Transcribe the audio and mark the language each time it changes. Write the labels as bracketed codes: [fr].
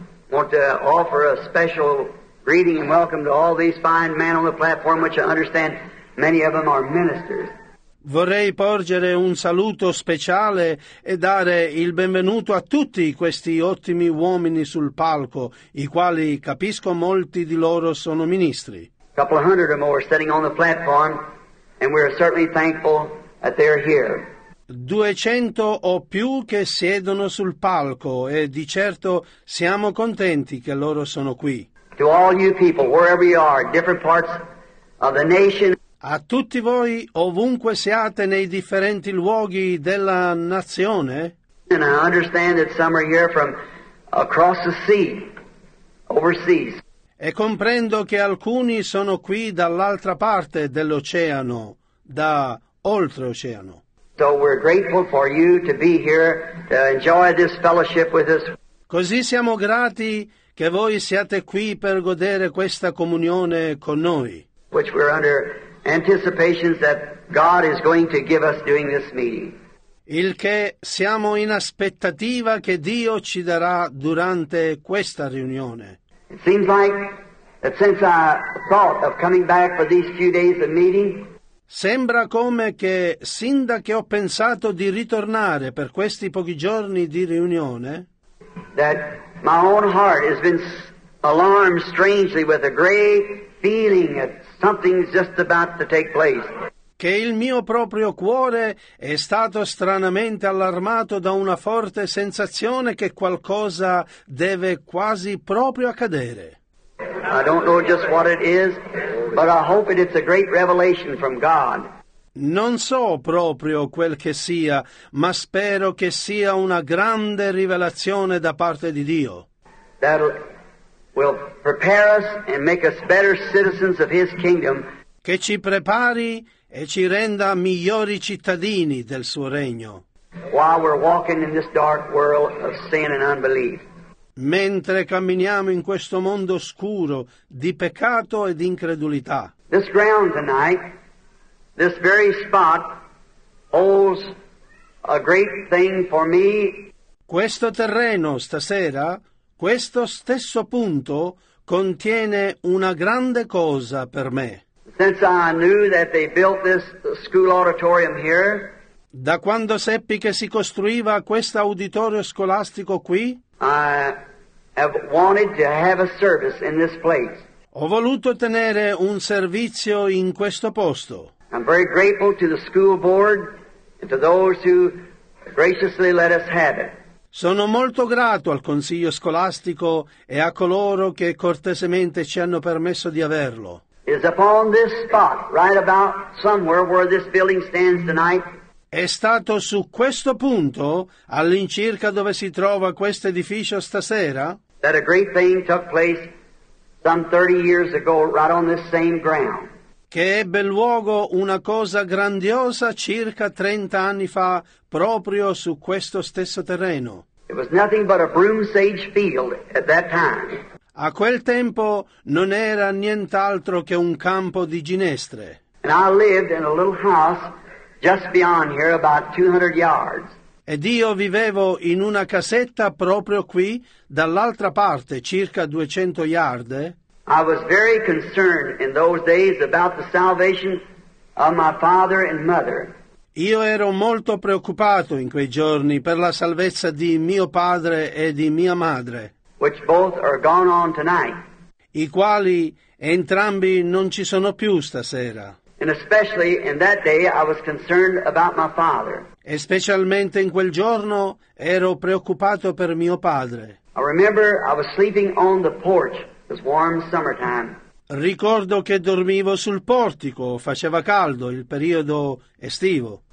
[en] Want to offer a special greeting and welcome to all these fine men on the platform, which I understand many of them are ministers. [it] Vorrei porgere un saluto speciale e dare il benvenuto a tutti questi ottimi uomini sul palco, i quali capisco molti di loro sono ministri. [en] A couple of hundred or more sitting on the platform, and we are certainly thankful that they're here. [it] 200 o più che siedono sul palco, e di certo siamo contenti che loro sono qui. [en] To all you people, wherever you are, different parts of the nation. [it] A tutti voi, ovunque siate nei differenti luoghi della nazione. [en] And I understand that some are here from across the sea, overseas. [it] E comprendo che alcuni sono qui dall'altra parte dell'oceano, da oltreoceano. [en] So we're grateful for you to be here to enjoy this fellowship with us. [it] Così siamo grati che voi siate qui per godere questa comunione con noi. [en] Which we're under anticipations that God is going to give us during this meeting. [it] Il che siamo in aspettativa che Dio ci darà durante questa riunione. [en] It seems like that since I thought of coming back for these few days of meeting. [it] Sembra come che sin da che ho pensato di ritornare per questi pochi giorni di riunione. [en] That my own heart has been alarmed strangely with a great feeling that something's just about to take place. [it] Che il mio proprio cuore è stato stranamente allarmato da una forte sensazione che qualcosa deve quasi proprio accadere. [en] I don't know just what it is, but I hope it's a great revelation from God. [it] Non so proprio quel che sia, ma spero che sia una grande rivelazione da parte di Dio. [en] That will prepare us and make us better citizens of His kingdom. [it] Che ci prepari e ci renda migliori cittadini del suo regno. [en] While we're walking in this dark world of sin and unbelief. [it] Mentre camminiamo in questo mondo oscuro di peccato ed incredulità. [en] This ground tonight, this very spot, holds a great thing for me. [it] Questo terreno stasera, questo stesso punto, contiene una grande cosa per me. [en] Since I knew that they built this school auditorium here, [it] da quando seppi che si costruiva questo auditorio scolastico qui, [en] I have wanted to have a service in this place. [it] Ho voluto tenere un servizio in questo posto. [en] I'm very grateful to the school board and to those who graciously let us have it. [it] Sono molto grato al consiglio scolastico e a coloro che cortesemente ci hanno permesso di averlo. [en] Is upon this spot, right about somewhere where this building stands tonight. [it] è stato su questo punto, all'incirca dove si trova questo edificio stasera, [en] that a great thing took place some 30 years ago right on this same ground. [it] Che ebbe luogo una cosa grandiosa circa 30 anni fa proprio su questo stesso terreno. [en] It was nothing but a broom sage field at that time. [it] A quel tempo non era nient'altro che un campo di ginestre. [en] And I lived in a little house just beyond here, about 200 yards. [it] Ed io vivevo in una casetta proprio qui, dall'altra parte, circa 200 yard. [en] I was very concerned in those days about the salvation of my father and mother. [it] Io ero molto preoccupato in quei giorni per la salvezza di mio padre e di mia madre, [en] which both are gone on tonight. [it] I quali entrambi non ci sono più stasera. [en] And especially in that day I was concerned about my father. [it] E specialmente in quel giorno ero preoccupato per mio padre. [en] I remember I was sleeping on the porch. It was warm summertime. [it] Ricordo che dormivo sul portico, faceva caldo il periodo estivo.